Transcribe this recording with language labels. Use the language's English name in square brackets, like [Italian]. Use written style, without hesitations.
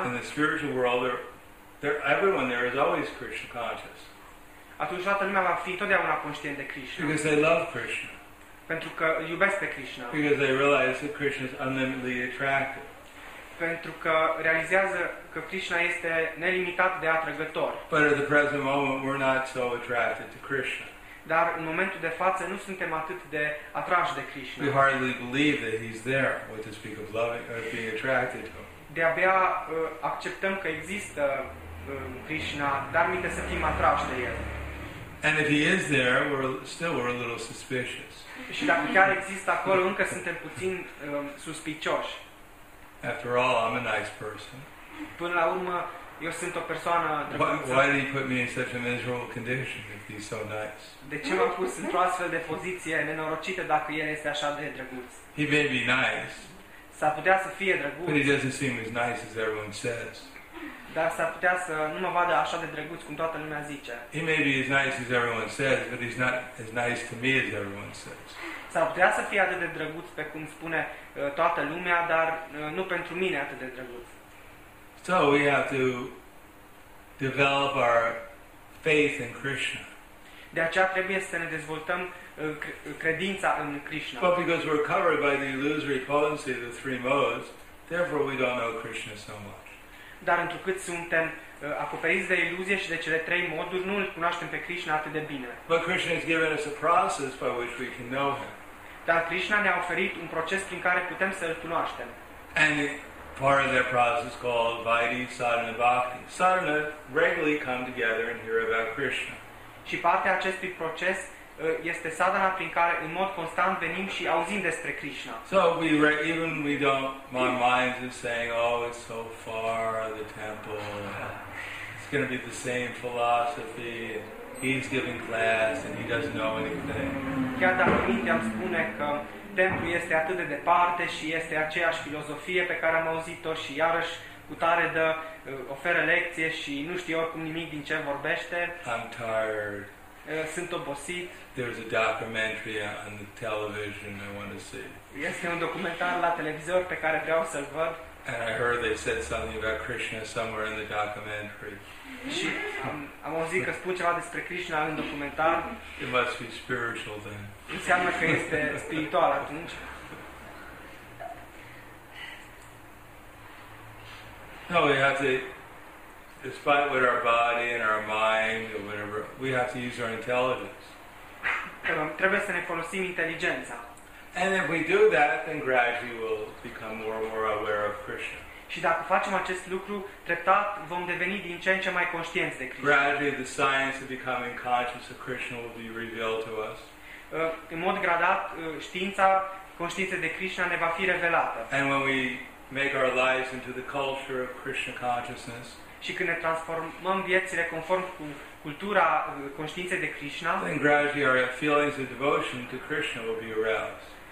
[English] In the spiritual world, everyone there is always Krishna conscious. [Romanian] Atunci toată lumea va fi totdeauna conștient de Krishna. [English] Because they love Krishna. [Romanian] Pentru că iubesc pe Krishna. [English] Because they realize that Krishna is unlimitedly attractive. [Romanian] Pentru că realizează că Krishna este nelimitat de atrăgător. [English] But at the present moment, we're not so attracted to Krishna. [Romanian] Dar în momentul de față nu suntem atât de atrași de Krishna. [English] We hardly believe that he's there, what to speak of loving or being attracted to him. [Romanian] De-abia acceptăm că există Krishna, dar minte să fim atrași de el. [English] And if he is there, we're a little suspicious. [Romanian] Și dacă chiar există acolo, încă suntem puțin suspicioși. [English] After all, I'm a nice person. [Romanian] Până la urmă, eu sunt o persoană drăguță. [English] Why did he put me in such a miserable condition if he's so nice? [Romanian] De ce m-a pus într-o astfel de poziție nenorocită dacă el este așa de drăguț? [English] He may be nice. [Romanian] S-ar putea să fie drăguț. [English] But he doesn't seem as nice as everyone says. [Romanian] Dar s-ar putea să nu mă vadă așa de drăguț cum toată lumea zice. [English] He may be as nice as everyone says, but he's not as nice to me as everyone says. [Romanian] S-ar putea să fie atât de drăguț pe cum spune toată lumea, dar nu pentru mine atât de drăguț. [English] So we have to develop our faith in Krishna. [Romanian] De aceea trebuie să ne dezvoltăm credința în Krishna. [English] But because we're covered by the illusory potency of the three modes, therefore we don't know Krishna so much. [Romanian] Dar întrucât suntem acoperiți de iluzie și de cele trei moduri, nu îl cunoaștem pe Krishna atât de bine. [English] But Krishna has given us a process by which we can know him. [Romanian] Dar Krishna ne-a oferit un proces prin care putem să îl cunoaștem. [English] And part of that process called Vaidhi Sadhana Bhakti. Sadhana regularly come together and hear about Krishna. [Romanian] Și partea acestui proces este sadhana prin care în mod constant venim și auzim despre Krishna. [English] So we even we don't, my mind is saying, oh, it's so far, the temple, it's going to be the same philosophy, he's giving class and he doesn't know anything. [Romanian] Chiar dacă mintea îmi spune că templul este atât de departe și este aceeași filozofie pe care am auzit-o și iarăși cu tare dă, oferă lecție și nu știe oricum nimic din ce vorbește. [English] I'm tired. [Romanian] Sunt obosit. [English] There's a documentary on the television I want to see. [Romanian] Este un documentar la televizor pe care vreau să-l văd. [English] And I heard they said something about Krishna somewhere in the documentary. [Romanian] Și am auzit că spun ceva despre Krishna în documentar. [English] It must be spiritual then. [Romanian] Înseamnă că este spiritual atunci. [English] No, we have to, despite what our body and our mind or whatever, we have to use our intelligence. [Romanian] Trebuie să ne folosim inteligența. [English] And if we do that, then gradually we'll become more and more aware of Krishna. [Romanian] Și dacă facem acest lucru, treptat vom deveni din ce în ce mai conștienți de Krishna. [English] Gradually the science of becoming conscious of Krishna will be revealed to us. [Romanian] În mod gradat, știința conștiinței de Krishna ne va fi revelată. [English] And when we make our lives into the culture of Krishna consciousness. [Romanian] Și când ne transformăm viețile conform cu cultura conștiinței de Krishna. [English] Then gradually our feelings of devotion to Krishna will be aroused.